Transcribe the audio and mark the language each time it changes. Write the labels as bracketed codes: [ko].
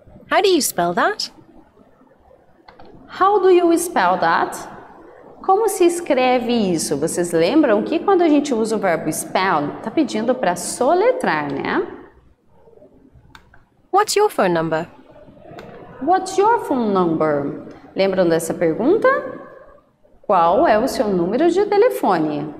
[en] How do you spell that? How do you spell that? [pt] Como se escreve isso? Vocês lembram que quando a gente usa o verbo spell, tá pedindo para soletrar, né? [en] What's your phone number? What's your phone number? [pt] Lembram dessa pergunta? Qual é o seu número de telefone?